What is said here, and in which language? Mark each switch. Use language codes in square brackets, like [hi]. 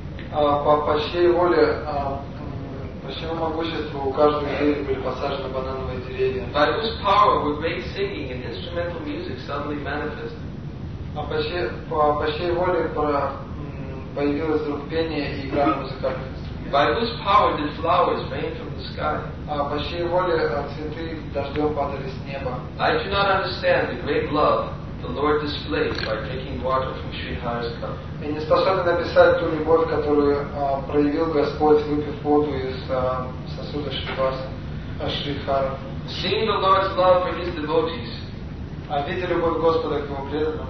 [ru] По чьей воле, по чьему могуществу у каждого дерева были посажены банановые деревья? [en] By whose power were great singing and instrumental music suddenly manifested? [ru] По чьей воле появилось вдруг пение и игра музыкальных инструментов? [en] By whose power did flowers rain from the sky? [ru] По чьей воле цветы дождем падали с неба? [en] I do not understand the great love the Lord displays by drinking water from Sri Hari's cup. [ru] И не способен описать ту любовь, которую проявил Господь, выпив воду из сосуда Шри Хара. [en] Seeing the Lord's love for His devotees, [ru] а видя любовь Господа к Его преданным,